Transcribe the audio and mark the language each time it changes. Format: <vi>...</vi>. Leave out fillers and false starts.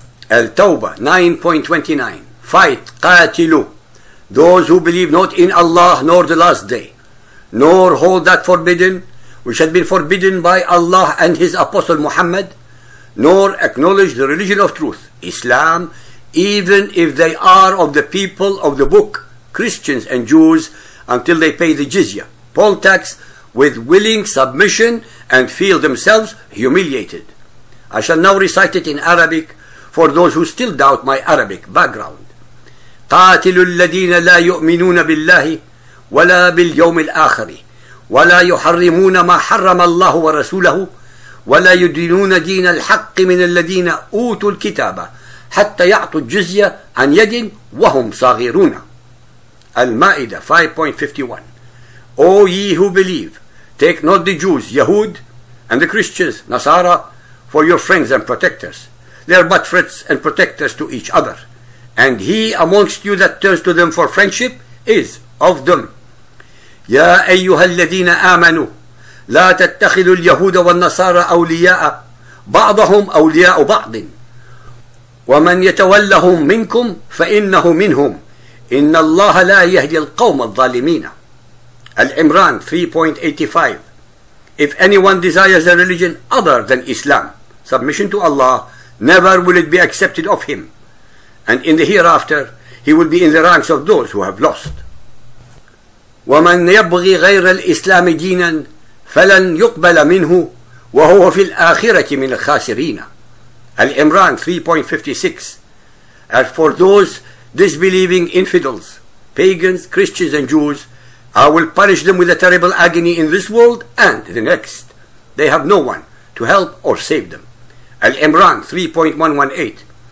<en>Al-Tawbah 9.29, fight, qatilu, those who believe not in Allah nor the last day, nor hold that forbidden which had been forbidden by Allah and his apostle Muhammad, nor acknowledge the religion of truth, Islam, even if they are of the people of the book, Christians and Jews, until they pay the jizya, poll tax, with willing submission and feel themselves humiliated. I shall now recite it in Arabic for those who still doubt my Arabic background.</en> <ar>قَاتِلُ الَّذِينَ لَا يُؤْمِنُونَ بِاللَّهِ وَلَا بِالْيَوْمِ الْآخَرِ وَلَا يُحَرِّمُونَ مَا حَرَّمَ اللَّهُ وَرَسُولَهُ ولا يدينون دين الحق من الذين أوتوا الكتاب حتى يعطوا الجزية عن يد وهم صاغرون.</ar> <en>المائدة 5.51. O ye who believe, take not the Jews, Yahud, and the Christians, Nasara, for your friends and protectors. They are but friends and protectors to each other. And he amongst you that turns to them for friendship is of them.</en> <ar>يا أيها الذين آمنوا لا تتخذوا اليهود والنصارى أولياء بعضهم أولياء بعض ومن يتولهم منكم فإنه منهم إن الله لا يهدي القوم الظالمين.</ar> <en>العمران 3.85. If anyone desires a religion other than Islam, submission to Allah, never will it be accepted of him. And in the hereafter, he will be in the ranks of those who have lost.</en> <ar>ومن يبغي غير الإسلام دينا فلن يقبل منه وهو في الآخرة من الخاسرين. العمران 3.56.</ar> <en>As for those disbelieving infidels, pagans, Christians and Jews, I will punish them with a terrible agony in this world and the next. They have no one to help or save them.</en> <ar>العمران 3.118.</ar>